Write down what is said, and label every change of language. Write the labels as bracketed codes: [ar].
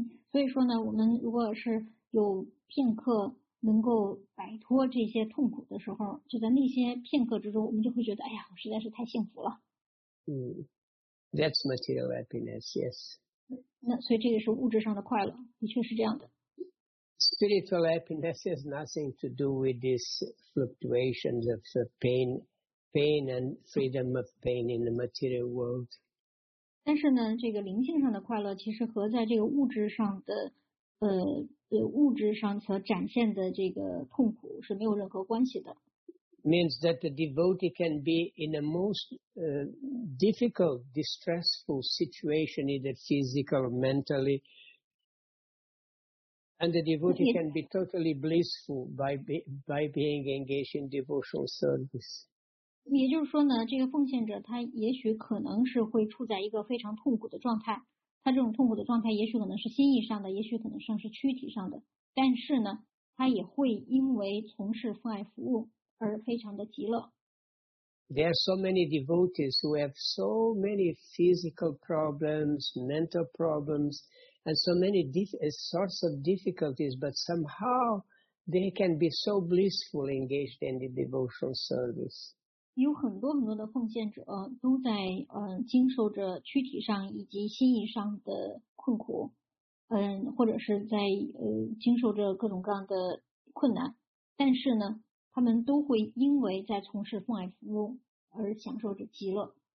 [zh] 所以说呢，我们如果是有片刻能够摆脱这些痛苦的时候，就在那些片刻之中，我们就会觉得，哎呀，我实在是太幸福了。 [en] That's material happiness, yes. [zh] 那所以这个是物质上的快乐，的确是这样的。 [en] Spiritual happiness has nothing to do with this fluctuations of pain and freedom of pain in the material world. [zh] 但是呢，这个灵性上的快乐其实和在这个物质上的物质上所展现的这个痛苦是没有任何关系的。 [en] Means that the devotee can be in a most difficult, distressful situation, either physical or mentally, and the devotee can be totally blissful by being engaged in devotional service. [zh] 也就是说呢，这个奉献者他也许可能是会处在一个非常痛苦的状态，他这种痛苦的状态也许可能是心意上的，也许可能像是躯体上的，但是呢，他也会因为从事奉爱服务而非常的极乐。 [en] There are so many devotees who have so many physical problems, mental problems, and so many sorts of difficulties, but somehow they can be so blissful engaged in the devotional service. [zh] 有很多很多的奉献者都在经受着躯体上以及心意上的困苦，或者是在经受着各种各样的困难，但是呢，他们都会因为在从事奉爱服务而享受着极乐。